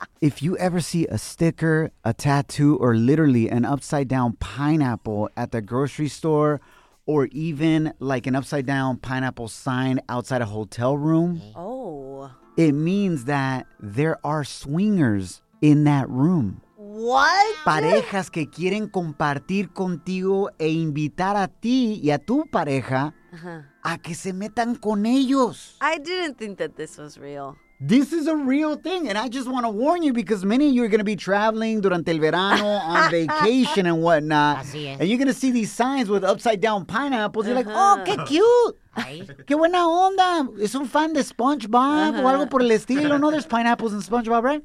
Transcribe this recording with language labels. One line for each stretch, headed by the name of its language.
English: If you ever see a sticker, a tattoo, or literally an upside down pineapple at the grocery store, or even like an upside down pineapple sign outside a hotel room, it means that there are swingers in that room. What?
Spanish: Parejas que quieren compartir contigo e invitar a ti y a tu pareja a que se metan con ellos.
English: I didn't think that this was real. This is a real thing, and I just want to warn you because many of you are going to be traveling
Spanish: durante el verano
English: on vacation and whatnot.
Spanish: Así es.
English: And you're going to see these signs with upside down pineapples. You're like, oh,
Spanish: qué cute. Qué buena onda. Es un fan de SpongeBob o algo por el estilo.
English: No, there's pineapples in SpongeBob, right?